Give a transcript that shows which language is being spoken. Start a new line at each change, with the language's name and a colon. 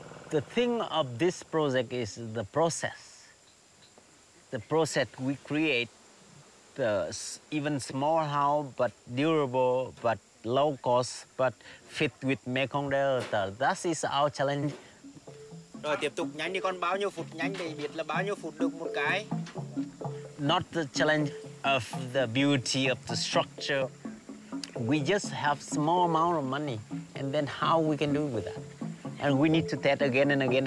English: The thing of this project is the process. The process we create. The even small house, but durable, but low cost, but fit with Mekong Delta. That is our challenge.
Vietnamese: Rồi tiếp tục nhanh đi con, bao nhiêu phút nhanh để biết là bao nhiêu phút được một cái.
English: Not the challenge of the beauty of the structure. We just have small amount of money, and then how we can do with that? And we need to test again and again.